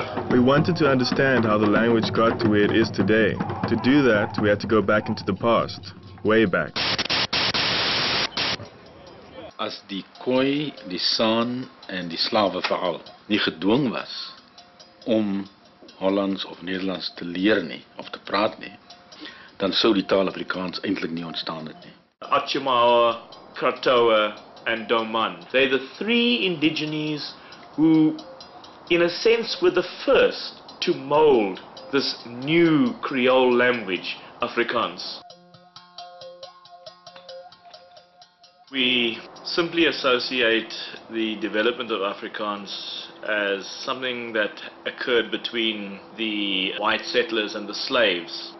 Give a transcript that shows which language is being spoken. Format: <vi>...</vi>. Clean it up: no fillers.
<en>We wanted to understand how the language got to where it is today. To do that, we had to go back into the past, way back.</en> <af>As die koi, die saan en die slawe veral nie gedwing was om Hollands of Nederlands te leer nie, of te praat nie, dan sou die taal Afrikaans eintlik nie ontstaan het nie.</af> <en>Atjemawa, Kratoa and Doman. They are the three indigenes who in a sense were the first to mold this new Creole language, Afrikaans. We simply associate the development of Afrikaans as something that occurred between the white settlers and the slaves.</en>